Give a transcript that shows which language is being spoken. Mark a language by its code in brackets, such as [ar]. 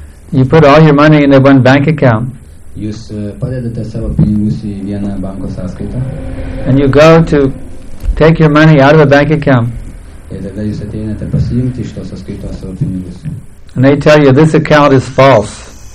[en] You put all your money in one bank account. [lt] Jūs padedate savo pinigus į vieną banko sąskaitą. [en] And you go to take your money out of a bank account. [lt] Ir tada jūs ateinate pasiimti iš tos sąskaitos savo pinigus. [en] And they tell you this account is false.